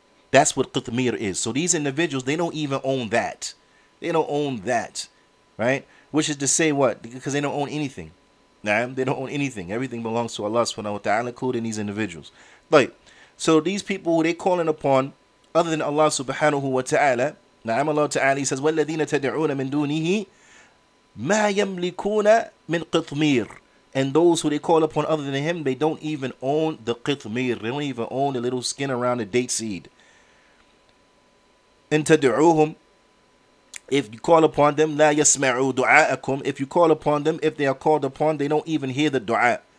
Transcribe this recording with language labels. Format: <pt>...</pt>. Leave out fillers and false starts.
<en>That's what qitmir is. So these individuals, they don't even own that. They don't own that, right? Which is to say what? Because they don't own anything. Nah, they don't own anything. Everything belongs to Allah subhanahu wa ta'ala, including these individuals. Right. So these people, they're calling upon other than Allah subhanahu wa ta'ala.</en> <ar>Nah,</ar> <en>Allah ta'ala, he says,</en> <ar>وَالَّذِينَ تَدْعُونَ مِن دُونِهِ مَا يَمْلِكُونَ مِنْ قِطْمِيرٍ.</ar> <en>And those who they call upon other than him, they don't even own the qitmir. They don't even own a little skin around a date seed.</en> <ar>إِن تَدْعُوهُمْ,</ar> <en>if you call upon them,</en> <ar>لَا يَسْمَعُوا دُعَاءَكُمْ,</ar> <en>if you call upon them, if they are called upon, they don't even hear the dua.</en>